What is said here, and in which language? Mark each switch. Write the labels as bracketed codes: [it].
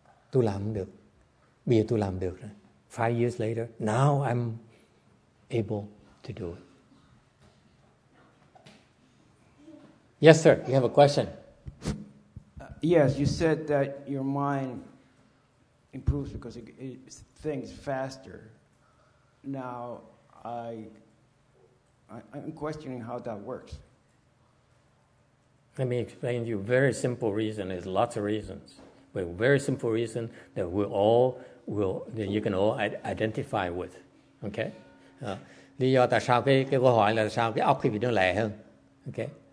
[vi] Tôi làm được. Bây giờ tôi làm được rồi. [en] 5 years later, now I'm able to do it. Yes, sir. You have a question. Yes, you said that your mind improves because it thinks faster. Now, I'm questioning how that works. Let me explain to you a very simple reason. There's lots of reasons. But a very simple reason that we all will, that you can all identify with, okay? [vi] Lý do tại sao cái câu hỏi là sao cái óc quý vị nó lẹ hơn, okay?